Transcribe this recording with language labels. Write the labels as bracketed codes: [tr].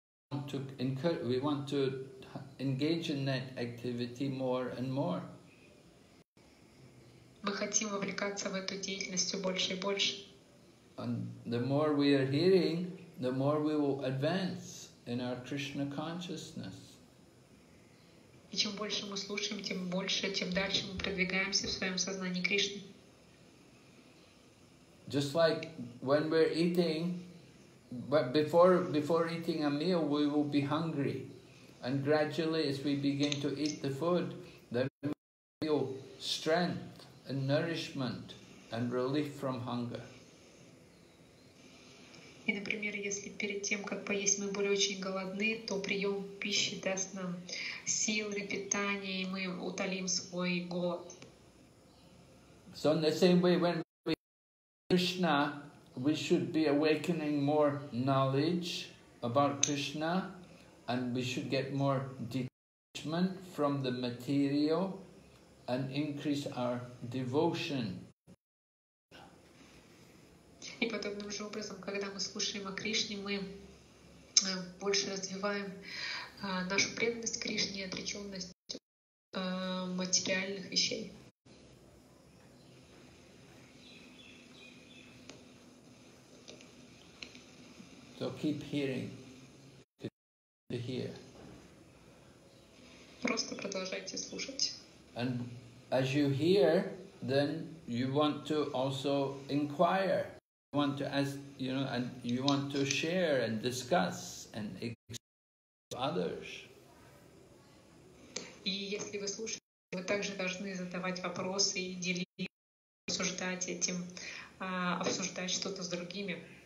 [en] We want to engage in that activity more and more. [ru] Мы хотим вовлекаться в эту деятельность больше и больше. [en] And the more we are hearing, the more we will advance in our Krishna consciousness. [ru] И чем больше мы слушаем, тем больше, тем дальше мы продвигаемся в своем сознании Кришны. [en] Just like when we're eating. But before eating a meal, we will be hungry, and gradually, as we begin to eat the food, then we feel strength and nourishment and relief from hunger. [ru] И, например, если перед тем, как поесть, мы были очень голодны, то прием пищи даст нам силы, питание, и мы утолим свой голод. [en] So in the same way, when we eat Krishna, we should be awakening more knowledge about Krishna, and we should get more detachment from the material and increase our devotion. [ru] И подобным же образом, когда мы слушаем о Кришне, мы больше развиваем нашу преданность Кришне и отречённость от материальных вещей. [en] So keep hearing to hear. [ru] Просто продолжайте слушать. [en] And as you hear, then you want to also inquire. You want to ask, you know, and you want to share and discuss and explain to others. [ru] И если вы слушаете, вы также должны задавать вопросы и делиться, обсуждать этим, обсуждать что-то с другими.